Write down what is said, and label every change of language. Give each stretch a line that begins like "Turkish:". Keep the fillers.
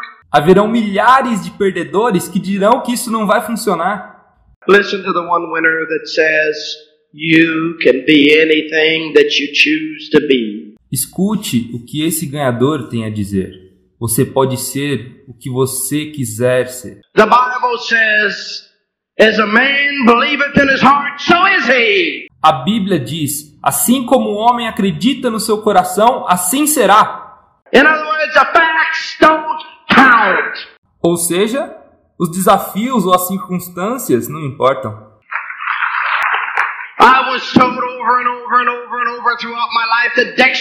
Portuguese: Haverão milhares de perdedores que dirão que isso não vai funcionar.
English: Listen o the one
Portuguese: que diz
English: You can be anything that you choose to be.
Portuguese: Escute o que esse ganhador tem a dizer. Você pode ser o que você quiser ser.
English: The Bible says, as a man believeth in his heart, so is he.
Portuguese: A Bíblia diz: assim como o homem acredita no seu coração, assim será.
English: In other words, the facts don't count.
Portuguese: Ou seja, os desafios ou as circunstâncias não importam.
English: I was told over and over and over and over throughout my life a